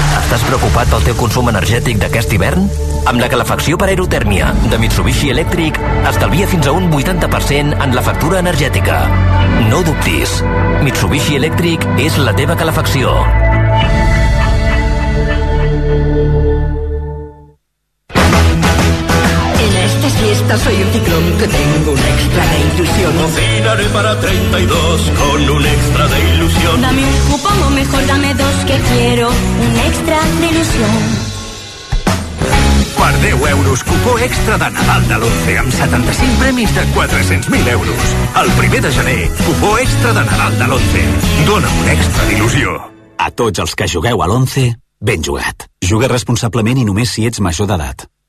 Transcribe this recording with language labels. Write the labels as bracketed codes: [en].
[ca] Estàs preocupat pel teu consum energètic d'aquest hivern? Amb la calefacció per aerotèrmia de Mitsubishi Electric estalvia fins a un 80% en la factura energètica. No ho dubtis. Mitsubishi Electric és la teva calefacció. [es] En estas fiestas soy un ciclón que tengo un extra de ilusión. Cocinaré para 32 con un extra de ilusión. Dame un cupón o mejor dame dos que quiero un extra de ilusión. [ca] Per 10 euros, cupó extra de Nadal de l'11, amb 75 premis de 400.000 euros. El 1 de gener, cupó extra de Nadal de l'11. Dona un extra d'il·lusió. A tots els que jugueu a l'11, ben jugat. Juga responsablement i només si ets major d'edat.